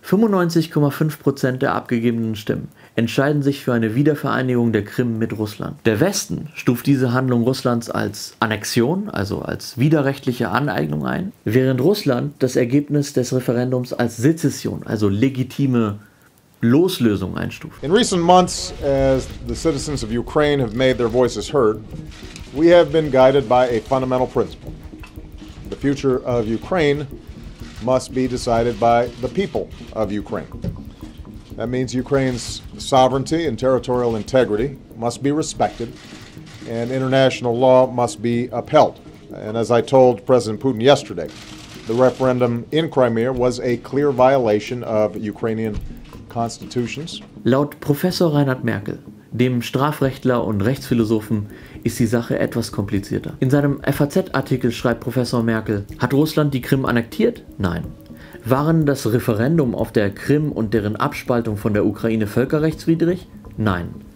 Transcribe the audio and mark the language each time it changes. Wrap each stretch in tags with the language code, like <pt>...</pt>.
<de>95,5% der abgegebenen Stimmen entscheiden sich für eine Wiedervereinigung der Krim mit Russland. Der Westen stuft diese Handlung Russlands als Annexion, also als widerrechtliche Aneignung ein, während Russland das Ergebnis des Referendums als Sezession, also legitime Loslösung, einstuft.</de> <en>In recent months, as the citizens of Ukraine have made their voices heard, we have been guided by a fundamental principle. The future of Ukraine must be decided by the people of Ukraine. That means Ukraine's sovereignty and territorial integrity must be respected, and international law must be upheld. And as I told President Putin yesterday, the referendum in Crimea was a clear violation of Ukrainian constitutions.</en> <de>Laut Professor Reinhard Merkel, dem Strafrechtler und Rechtsphilosophen, ist die Sache etwas komplizierter. In seinem FAZ-Artikel schreibt Professor Merkel: Hat Russland die Krim annektiert? Nein. Waren das Referendum auf der Krim und deren Abspaltung von der Ukraine völkerrechtswidrig? Nein.</de>